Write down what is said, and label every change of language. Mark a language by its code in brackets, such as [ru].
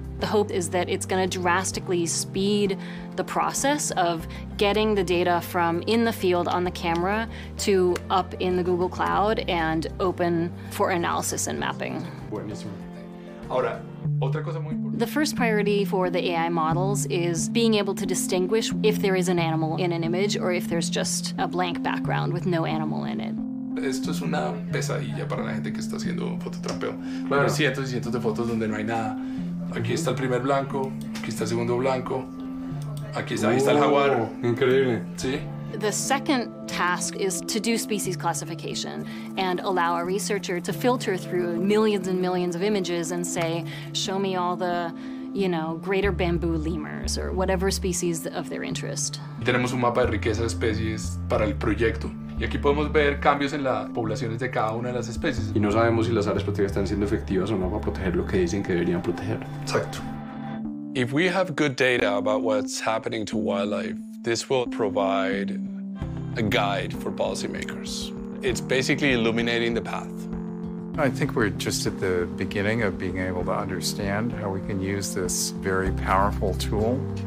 [en] The hope is that it's going to drastically speed the process of getting the data from in the field on the camera to up in the Google Cloud and open for analysis and mapping. The first priority for the AI models is being able to distinguish if there is an animal in an image or if there's just a blank background with no animal in it. [es] Esto es una pesadilla para la gente que está haciendo fototrampeo. Claro. Cientos y cientos de fotos donde no hay nada. Aquí está el primer blanco, aquí está el segundo blanco, aquí está, ahí está el jaguar. Increíble. Sí. [en] The second task is to do species classification and allow a researcher to filter through millions and millions of images and say, show me all the, you know, greater bamboo lemurs or whatever species of their interest. [es] Tenemos un mapa de riqueza de especies para el proyecto. Y aquí podemos ver cambios en las poblaciones de cada una de las especies. Y no sabemos si las áreas protegidas están siendo efectivas o no para proteger lo que dicen que deberían proteger. Exacto. [en] If we have good data about what's happening to wildlife, this will provide a guide for policymakers. It's basically illuminating the path. I think we're just at the beginning of being able to understand how we can use this very powerful tool.